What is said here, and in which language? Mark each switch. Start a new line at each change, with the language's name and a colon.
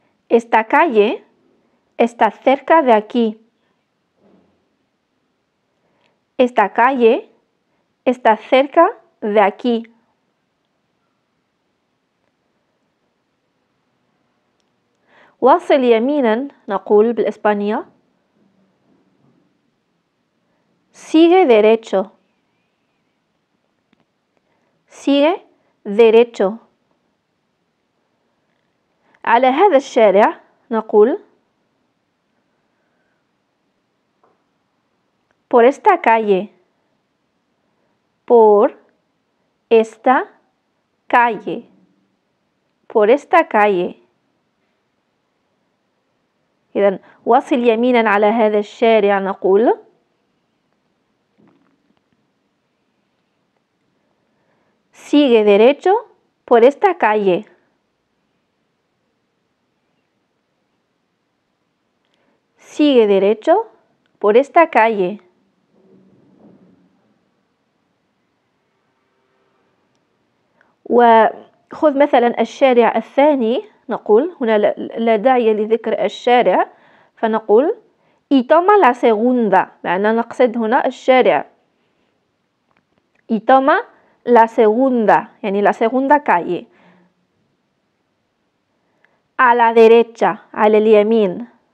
Spanish: Esta calle está cerca de aquí. Esta calle está cerca de aquí.
Arabic: واصل يمينا نقول بالإسبانية.
Spanish: Sigue derecho. Sigue derecho.
Arabic: على هذا الشارع نقول.
Spanish: Por esta calle. Por esta calle. Por esta calle.
Arabic: إذن واصل يمينا على هذا الشارع نقول.
Spanish: Sigue derecho por esta calle. Sigue derecho por esta calle.
Arabic: وخذ مثلا الشارع الثاني نقول هنا لا داعي لذكر الشارع فنقول
Spanish: Y toma la segunda.
Arabic: معنى نقصد هنا الشارع.
Spanish: Y toma La segunda, يعني la segunda calle. A la derecha, al اليمين.